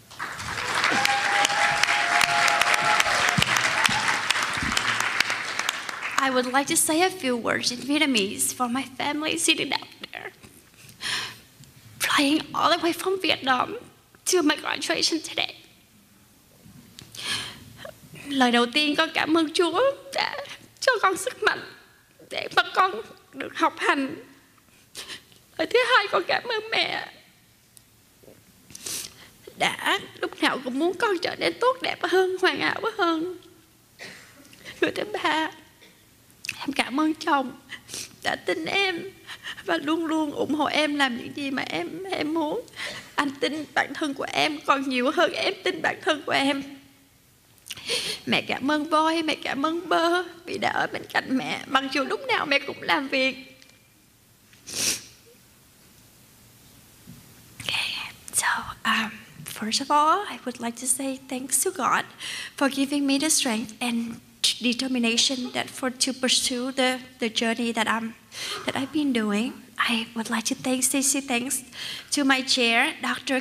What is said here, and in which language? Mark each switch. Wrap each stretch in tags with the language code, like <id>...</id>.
<en>I would like to say a few words in Vietnamese for my family sitting out there, flying all the way from Vietnam to my graduation today.</en> <vi>Lời đầu tiên con cảm ơn Chúa đã cho con sức mạnh để mà con được học hành. Lời thứ hai con cảm ơn mẹ đã lúc nào cũng muốn con trở nên tốt đẹp hơn, hoàn hảo hơn. Lời thứ ba, em cảm ơn chồng đã tin em và luôn luôn ủng hộ em làm những gì mà em muốn. Anh tin bản thân của em còn nhiều hơn em tin bản thân của em. Mẹ cảm ơn voi, mẹ cảm ơn bơ vì đã ở bên cạnh mẹ, mặc dù lúc nào mẹ cũng làm việc.</vi> <en>Okay, so first of all, I would like to say thanks to God for giving me the strength and determination that for to pursue the journey that I've been doing. I would like to say thanks to my chair, Dr.</en>